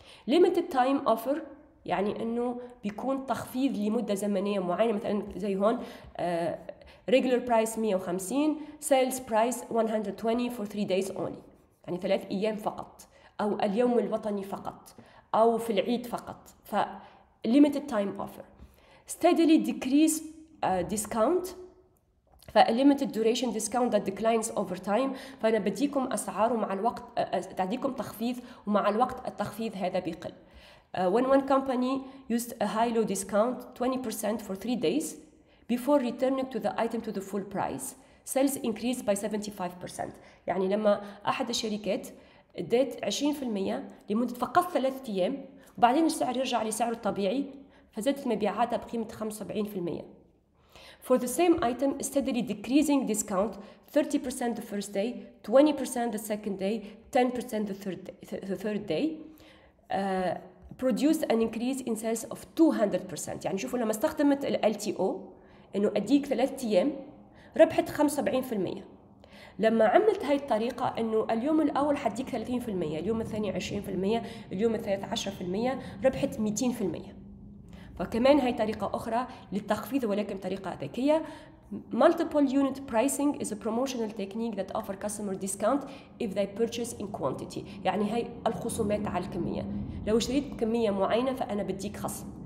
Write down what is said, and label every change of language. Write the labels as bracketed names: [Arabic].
[Arabic] limited time offer يعني أنه بيكون تخفيض لمدة زمنية معينة، مثلا زي هون [English] regular price 150 sales price 120 for 3 days only، [Arabic] يعني 3 أيام فقط، أو اليوم الوطني فقط، أو في العيد فقط. [English] ف limited time offer steadily decrease discount، ف limited duration discount that declines over time، [Arabic] فأنا بديكم أسعار ومع الوقت تعديكم تخفيض ومع الوقت التخفيض هذا بيقل. [English] when one company used a high low discount 20% for 3 days before returning to the item to the full price، sales increased by 75%. [Arabic] يعني لما أحد الشركات ادت 20% لمدة فقط 3 أيام، وبعدين السعر يرجع لسعره الطبيعي، فزادت مبيعاتها بقيمة 75%. [English] For the same item, steadily decreasing discount 30% the first day, 20% the second day, 10% the third day. Produce an increase in sales of 200%. [Arabic] يعني شوفوا لما استخدمت الـ LTO إنه أديك ثلاثة أيام ربحت 75%. لما عملت هاي الطريقة إنه اليوم الأول حديك 30%، اليوم الثاني 20%، اليوم الثالث 10%، ربحت 200%. فكمان هاي طريقة أخرى للتخفيض، ولكن طريقة ذكية. [English] Multiple unit pricing is a promotional technique that offer customer discount if they purchase in quantity. [Arabic] يعني هاي الخصومات على الكمية. لو اشتريت كمية معينة فأنا بديك خصم.